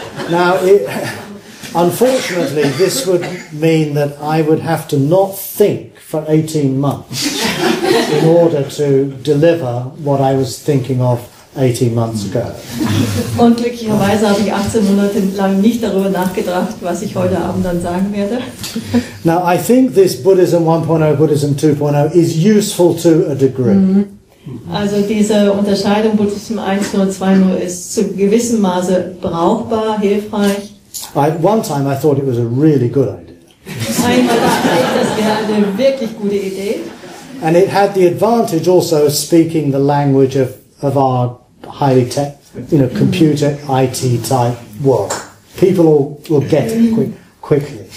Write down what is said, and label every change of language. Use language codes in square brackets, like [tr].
[en] Now, Unfortunately, this would mean that I would have to not think for 18 months in order to deliver what I was thinking of 18 months ago. [de] Und glücklicherweise habe ich 18 Monate lang nicht darüber nachgedacht, was ich heute Abend dann sagen werde. [en] Now, I think this Buddhism 1.0, Buddhism 2.0 is useful to a degree. [de] Also diese Unterscheidung Buddhism 1.0 2.0 ist zu gewissem Maße brauchbar, hilfreich. [en] One time I thought it was a really good idea. [de] Einmal dachte ich, das wäre eine wirklich gute Idee. [en] And it had the advantage also of speaking the language of our highly tech, you know, computer IT type work. People will get it quickly.